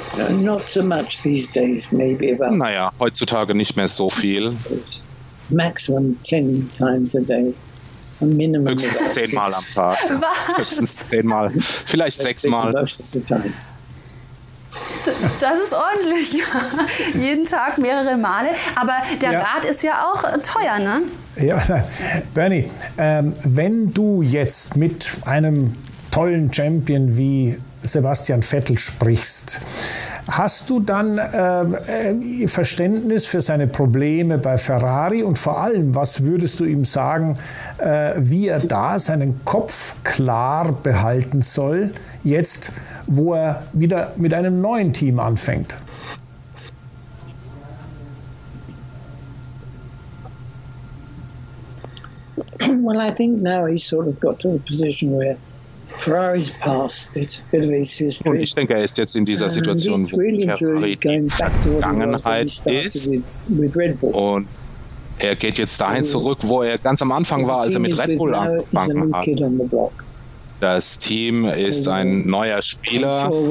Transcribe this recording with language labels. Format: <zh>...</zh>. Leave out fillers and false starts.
<en>Not so much these days, maybe about.</en> <de>Naja, heutzutage nicht mehr so viel.</de> <en>Maximum 10 times a day. Minimum</en> <de>höchstens 10 Mal am Tag. Was? Höchstens 10 Mal. Vielleicht 6 Mal. Das ist ordentlich. Jeden Tag mehrere Male. Aber der Rat ist ja auch teuer, ne? Ja, Bernie, wenn du jetzt mit einem tollen Champion wie Sebastian Vettel sprichst, hast du dann Verständnis für seine Probleme bei Ferrari und vor allem, was würdest du ihm sagen, wie er da seinen Kopf klar behalten soll, jetzt, wo er wieder mit einem neuen Team anfängt?</de> <en>Well, I think now he's sort of got to the position where Ferrari's past. It's a bit of his history.</en> <de>Und ich denke, er ist jetzt in dieser Situation, wo Ferrari Vergangenheit ist. Und er geht jetzt dahin zurück, wo er ganz am Anfang war, als er mit Red Bull angefangen hat. Das Team ist ein neuer Spieler.</de>